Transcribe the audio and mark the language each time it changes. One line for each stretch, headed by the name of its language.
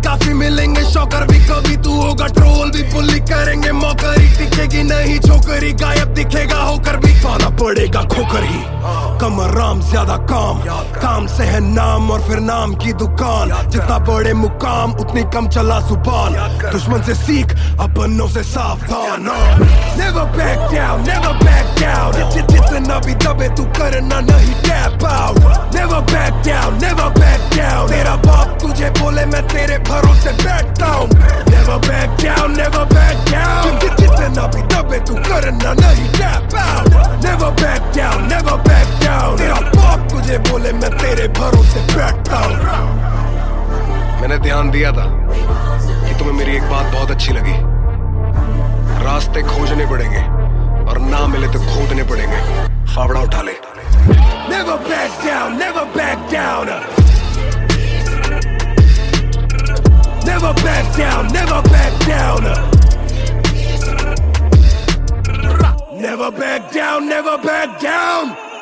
Hindi: काफी मिलेंगे, शौकर भी कभी तू होगा, ट्रोल भी पुलिस करेंगे, मौकरी दिखेगी नहीं छोकरी, गायब दिखेगा होकर भी पाना पड़ेगा खोकर ही, कम आराम ज्यादा काम, काम से है नाम और फिर नाम की दुकान, जितना बड़े मुकाम उतनी कम चला सुपान, दुश्मन से सीख अपनों से सावधान।
English: Never back down, never back down.
Hindi: जितना भी दबे तू करना नहीं
English: Tap out. Never back down, never back down.
Hindi: तेरा बाप तुझे बोले मैं तेरे भरोसे बैठता हूँ.
English: Never back down, never back down.
Hindi: जितना भी दबे तू करना नहीं
English: Tap out. Never back down, never back down.
Hindi: तेरा बाप तुझे बोले मैं तेरे भरोसे बैठता हूँ. मैंने ध्यान दिया था कि तुम्हें मेरी एक बात बहुत अच्छी लगी, रास्ते खोजने पड़ेंगे और ना मिले तो खोदने पड़ेंगे, फावड़ा उठा ले।
English: Never back down, never back down. Never back down, never back down. Never back down, never back down.